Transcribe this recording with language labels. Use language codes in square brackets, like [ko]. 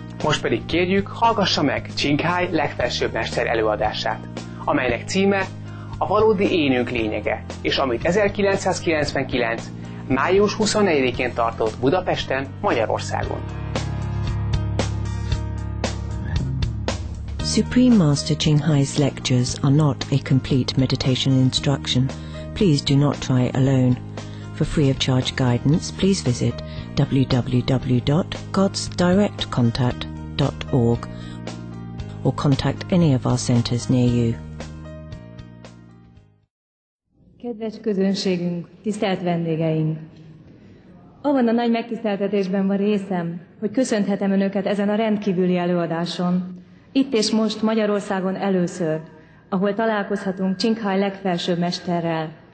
[hu] Most pedig kérjük, hallgassa meg Csinghály legfelsőbb mester előadását, amelynek címe A valódi énünk lényege, és amit 1999. május 24-én tartott Budapesten, Magyarországon. [en] Supreme Master Chinghai's lectures are not a complete meditation instruction. Please do not try alone. For free of charge guidance, please visit www.godsdirectcontact.org or contact any of our centers near you. [hu] Kedves közönségünk, tisztelt vendégeink! Abban a nagy megtiszteltetésben van részem, hogy köszönhetem önöket ezen a rendkívüli előadáson. Itt és most Magyarországon először, ahol találkozhatunk Csinghály legfelsőbb mesterrel.